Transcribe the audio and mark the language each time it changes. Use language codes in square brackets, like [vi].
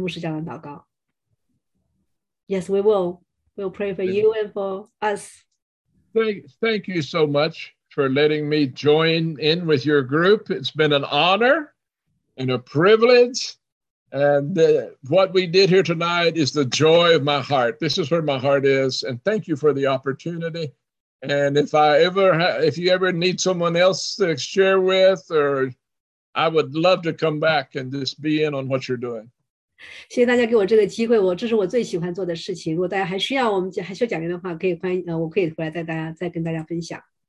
[zh] 好的，牧师说，如果我们想为他祷告的话，我们可以用路加福音第二章最后一段经一节经文，52节说，耶稣的智慧和身量，并神和人喜爱他的心一起增长。请就用这个经文来为我祷告，神和人喜爱他的心一起增长，智慧和身量一起增长。谢谢大家为牧师这样的祷告。 [en] Yes, we will. We'll pray for you and for us. Thank you so much for letting me join in with your group. It's been an honor and a privilege. And what we did here tonight is the joy of my heart. This is where my heart is. And thank you for the opportunity. And if I ever, if you ever need someone else to share with, or I would love to come back and just be in on what you're doing. [zh] 谢谢大家给我这个机会，这是我最喜欢做的事情。如果大家还需要我们，还需要讲员的话，可以欢迎，我可以回来再跟大家分享。